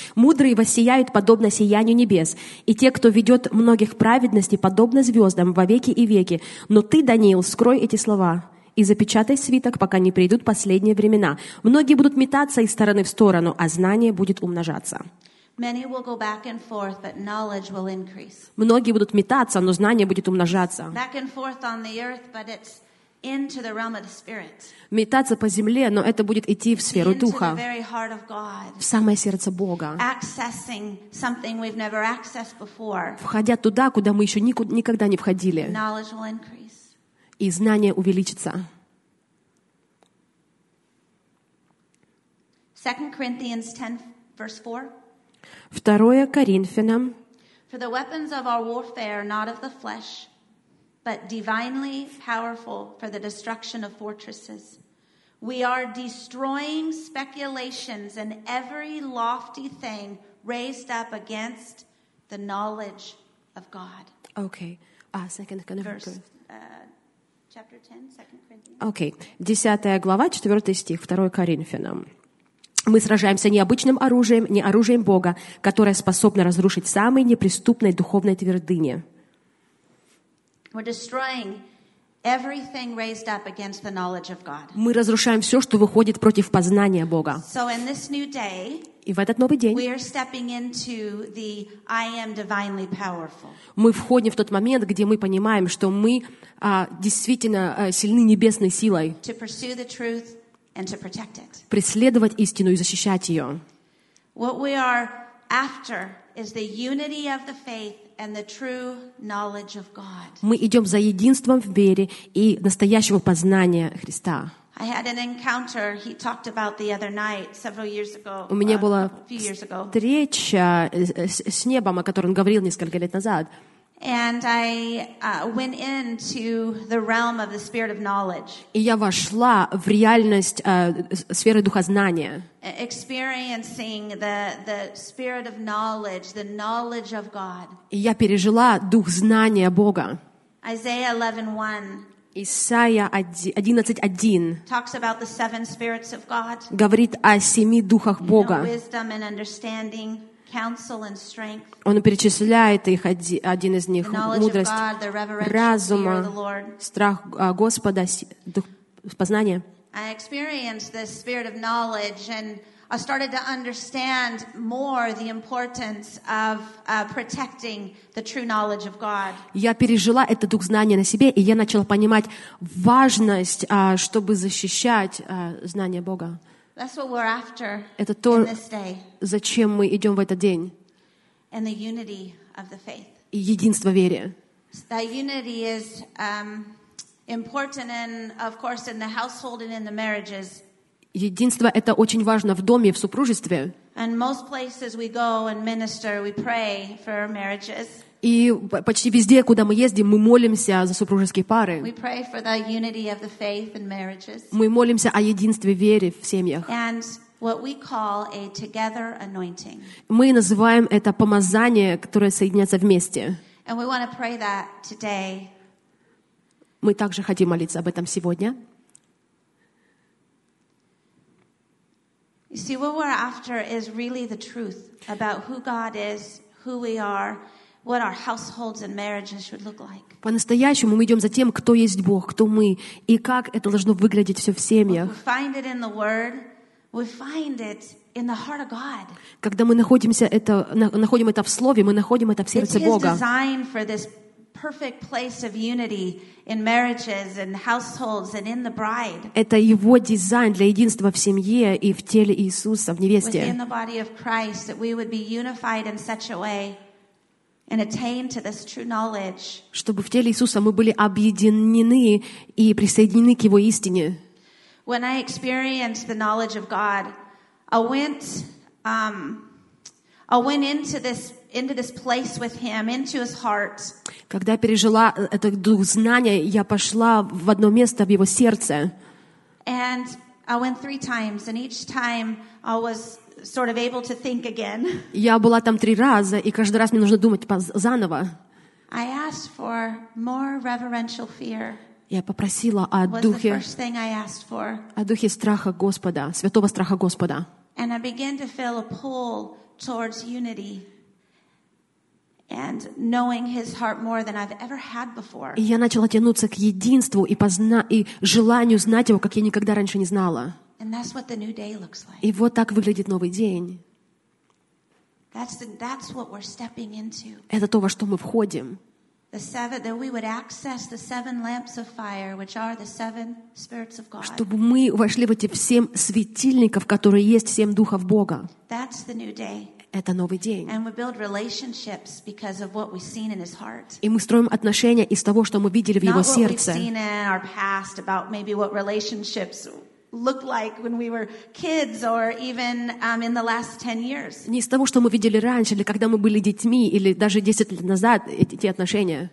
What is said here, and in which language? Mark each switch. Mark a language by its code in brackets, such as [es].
[ru] «Мудрые воссияют подобно сиянию небес, и те, кто ведет многих праведности, подобно звездам во веки и веки. Но ты, Даниил, скрой эти слова и запечатай свиток, пока не придут последние времена. Многие будут метаться из стороны в сторону, а знание будет умножаться». [en] Many will go back and forth, but knowledge will increase. [ru] Многие будут метаться, но знание будет умножаться. [en] Back and forth on the earth, but it's into the realm of the spirit. [ru] Метаться по земле, но это будет идти в сферу духа. [en] Into the very heart of God. [ru] В самое сердце Бога. [en] Accessing something we've never accessed before. [ru] Входя туда, куда мы еще никогда не входили. [en] Knowledge will increase. [ru] И знание увеличится. [en] 2 Corinthians 10 verse 4. [ru] Второе Коринфянам. [en] For the weapons of our warfare are not of the flesh, but divinely powerful for the destruction of fortresses. We are destroying speculations and every lofty thing raised up against the knowledge of God. Okay. Second Corinthians. Chapter 10, Second Corinthians. [ru] Okay. 10 глава, 4 стих, 2 Коринфянам. Мы сражаемся не обычным оружием, не оружием Бога, которое способно разрушить самые неприступные духовные твердыни. [en] We're destroying everything raised up against the knowledge of God. [ru] Мы разрушаем все, что выходит против познания Бога. [en] So in this new day, [ru] и в этот новый день, [en] we are stepping into the I am divinely powerful. [ru] Мы входим в тот момент, где мы понимаем, что мы действительно сильны небесной силой. [en] To pursue the truth and to protect it. [ru] Преследовать истину и защищать ее. [en] What we are after is the unity of the faith and the true knowledge of God. [ru] Мы идем за единством в вере и настоящего познания Христа. [en] I had an encounter he talked about the other night several years ago. [ru] У меня была встреча с небом, о которой он говорил несколько лет назад. [en] And I went into the realm of the spirit of knowledge. [ru] И я вошла в реальность сферы духознания. [en] Experiencing the spirit of knowledge, the knowledge of God. [ru] И я пережила дух знания Бога. [en] Isaiah 11:1. [ru] Исайя 11:1. [en] Talks about the seven spirits of God. [ru] Говорит о семи духах Бога. [en] You know, wisdom and understanding. Counsel and strength. [ru] Он перечисляет их, один из них, мудрость, [en] God, [ru] разума, страх Господа, дух, познание. [en] I experienced this spirit of knowledge and I started to understand more the importance of protecting the true knowledge of God. [ru] Я пережила этот дух знания на себе, и я начала понимать важность, чтобы защищать знание Бога. [en] That's what we're after. [ru] Это то, зачем мы идем в этот день. [en] And the unity of the faith. [ru] И единство веры. [en] That unity is important, and of course, in the household and in the marriages. [ru] Единство это очень важно в доме, в супружестве. [en] And most places we go and minister, we pray for marriages. [ru] И почти везде, куда мы ездим, мы молимся за супружеские пары. [en] We pray for the unity of the faith in marriages. [ru] Мы молимся о единстве веры в семьях. [en] And what we call a together anointing. [ru] Мы называем это помазание, которое соединяется вместе. [en] And we want to pray that today. [ru] Мы также хотим молиться об этом сегодня. [en] You see, what we're after is really the truth about who God is, who we are, what our households and marriages should look like. [ru] По-настоящему мы идем за тем, кто есть Бог, кто мы, и как это должно выглядеть все в семьях. [en] We find it in the Word. We find it in the heart of God. [ru] Когда мы находим это в Слове, мы находим это в сердце Бога. [en] It's His design for this perfect place of unity in marriages and households and in the bride. [ru] Это его дизайн для единства в семье и в теле Иисуса, в невесте. [en] Within the body of Christ, that we would be unified in such a way and attain to this true knowledge. [ru] Чтобы в теле Иисуса мы были объединены и присоединены к его истине. [en] When I experienced the knowledge of God, I went into this place with Him, into His heart. [ru] Когда я пережила этот дух знания, я пошла в одно место в Его сердце. [en] And I went three times, and each time I was sort of able to think again. [ru] Я была там три раза, и каждый раз мне нужно думать заново. [en] I asked for more reverential fear. [ru] Я попросила о духе страха Господа, святого страха Господа. [en] And I began to feel a pull towards unity and knowing His heart more than I've ever had before. [ru] И я начала тянуться к единству и желанию знать Его, как я никогда раньше не знала. [en] And that's what the new day looks like. [ru] И вот так выглядит новый день. [en] That's what we're stepping into. [ru] Это то, во что мы входим. [en] That we would access the seven lamps of fire, which are the seven spirits of God. [ru] Чтобы мы вошли в эти семь светильников, которые есть семь духов Бога. [en] That's the new day. [ru] Это новый день. [en] And we build relationships because of what we've seen in His heart. [ru] И мы строим отношения из того, что мы видели в Его сердце. [en] Not what we've seen in our past about maybe what relationships looked like when we were kids or even in the last 10 years. [ru] Не из того, что мы видели раньше, или когда мы были детьми, или даже 10 лет назад, эти отношения.